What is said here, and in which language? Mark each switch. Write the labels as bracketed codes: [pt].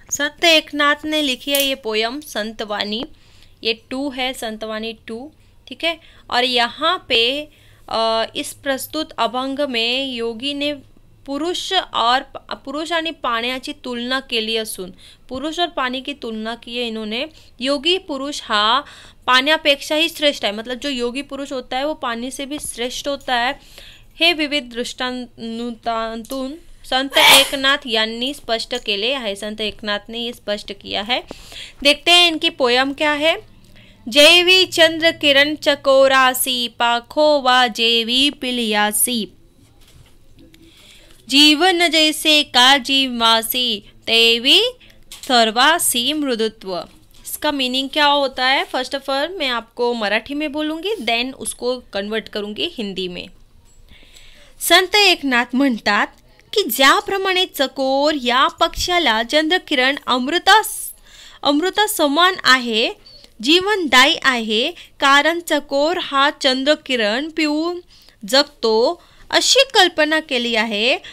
[hi] संत एकनाथ ने लिखी है ये पोयम संतवाणी, ये 2 है, संतवाणी 2, ठीक है। और यहाँ पे इस प्रस्तुत अभंग में योगी ने पुरुष [mr] आणि पाण्याची तुलना केली असून, [hi] पुरुष और पाणी की तुलना की है इन्होंने। योगी पुरुष [mr] हा पाण्यापेक्षा ही [hi] श्रेष्ठ है, मतलब जो योगी पुरुष होता है वो पाणी से भी श्रेष्ठ होता है, [mr] हे विविध दृष्टांतून संत एकनाथ यांनी स्पष्ट केले आहे। [hi] संत एकनाथ ने ये स्पष्ट किया है। देखते हैं इनकी पोयम क्या है। [mr] जैवी चंद्र किरण चकोरासी, पाखो वा जैवी पिलियासी, जीवन जैसे का जीवासी, तेवी सर्वासी मृदुत्व। [hi] इसका मीनिंग क्या होता है, फर्स्ट ऑफ ऑल मैं आपको मराठी में बोलूंगी, देन उसको कन्वर्ट करूंगी हिंदी में। [mr] संत एकनाथ म्हणतात की ज्याप्रमाणे चकोर या पक्षाला चंद्रकिरण अमृता समान आहे, जीवनदायी आहे, कारण चकोर हा चंद्रकिरण पिऊन जगतो, अशी कल्पना केली आहे।